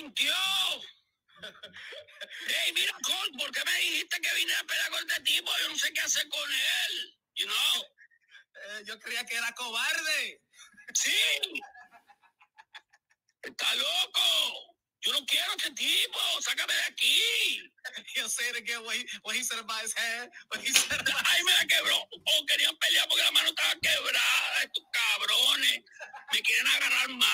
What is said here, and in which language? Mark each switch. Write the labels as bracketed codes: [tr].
[es] Hey, mira, Colt, ¿por qué me dijiste que vine a pelear con este tipo? Yo no sé qué hacer con él, [en] you know? [es] Yo creía que era cobarde. ¡Sí! ¡Está loco! Yo no quiero a este tipo, ¡sácame de aquí! [en] He'll say it again when he said about his hand. When he said about... [es] ¡Ay, me la quebró! ¡Oh, querían pelear porque la mano estaba quebrada! ¡Estos cabrones! ¡Me quieren agarrar